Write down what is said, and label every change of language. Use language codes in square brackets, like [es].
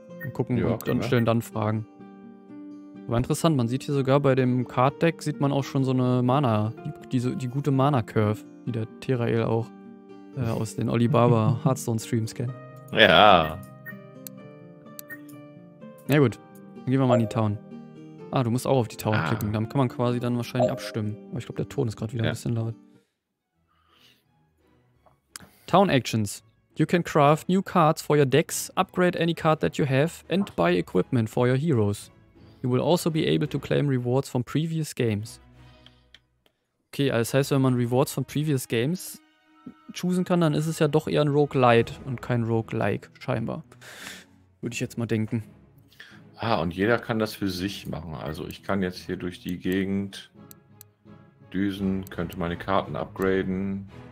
[de] Und gucken ja, und stellen dann Fragen. War interessant, man sieht hier sogar bei dem Card-Deck sieht man auch schon so eine Mana, die gute Mana-Curve, die der Terael auch aus den Alibaba Hearthstone-Streams kennt. Ja. Na gut, dann gehen wir mal in die Town. Ah, du musst auch auf die Town klicken, dann kann man quasi dann wahrscheinlich abstimmen. Aber ich glaube, der Ton ist gerade wieder ein bisschen laut. [en] Town Actions. You can craft new cards for your decks, upgrade any card that you have, and buy equipment for your heroes. You will also be able to claim rewards from previous games. [de] Okay, also das heißt, wenn man Rewards von [en] previous games [de] choosen kann, dann ist es ja doch eher ein Roguelite und kein Roguelike, scheinbar. Würde ich jetzt mal denken. Ah, und jeder kann das für sich machen. Also ich kann jetzt hier durch die Gegend düsen, könnte meine Karten upgraden.